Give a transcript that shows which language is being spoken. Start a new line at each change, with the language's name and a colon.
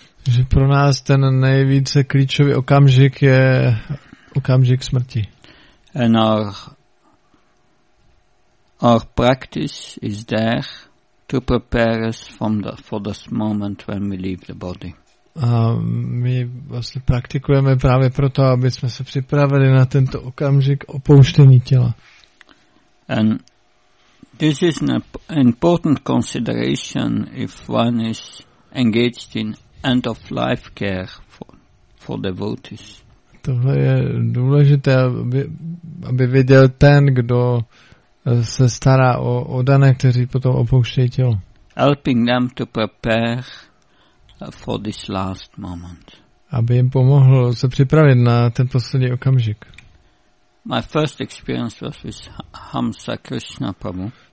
Czech: Že pro nás ten nejvíce klíčový okamžik je okamžik smrti.
English: And our practice is there to prepare us for this moment when we leave the body.
Czech: My vlastně praktikujeme právě proto, aby jsme se připravili na tento okamžik opouštění těla.
English: And this is an important consideration if one is engaged in end of life care for devotees.
Czech: Tohle je důležité, aby věděl ten, kdo se stará o dané, kteří potom opouštějí tělo.
English: Helping them to prepare for this last moment.
Czech: Aby jim pomohl se připravit na ten poslední okamžik.
English: My first experience was with Hamsa Krishna Prabhu.